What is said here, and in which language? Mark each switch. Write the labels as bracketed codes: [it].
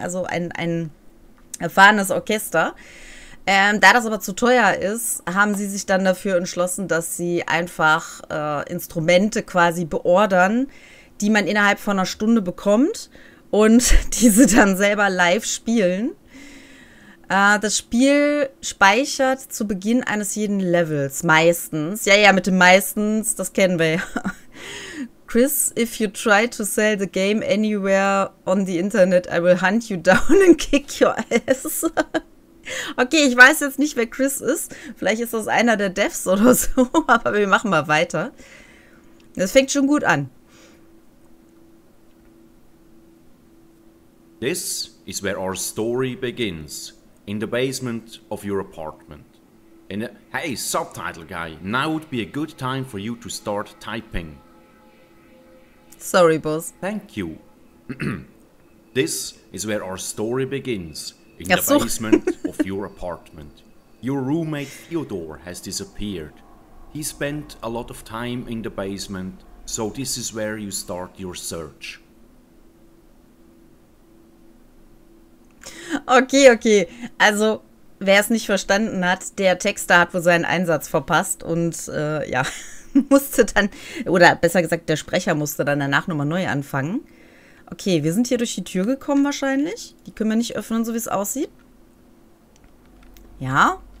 [de] Also, ein erfahrenes Orchester. Da das aber zu teuer ist, haben sie sich dann dafür entschlossen, dass sie einfach Instrumente quasi beordern, die man innerhalb von einer Stunde bekommt und diese dann selber live spielen. Das Spiel speichert zu Beginn eines jeden Levels, meistens. Ja, ja, mit dem meistens, das kennen wir ja. [en] Chris, if you try to sell the game anywhere on the internet, I will hunt you down and kick your ass. [de] Okay, ich weiß jetzt nicht, wer Chris ist. Vielleicht ist das einer der Devs oder so, aber wir machen mal weiter. Das fängt schon gut an. [en] This is where our story begins. In the basement of your apartment. In a, hey, subtitle guy, now would be a good time for you to start typing. Sorry, boss. Thank you. This is where our story begins. In the basement of your apartment. Your roommate Theodore has disappeared. He spent a lot of time in the basement, so this is where you start your search. Okay, okay. [de] Also, wer es nicht verstanden hat, der Texter hat wohl seinen Einsatz verpasst und ja, musste dann, oder besser gesagt, der Sprecher musste dann danach nochmal neu anfangen. Okay, wir sind hier durch die Tür gekommen wahrscheinlich. Die können wir nicht öffnen, so wie es aussieht. Ja.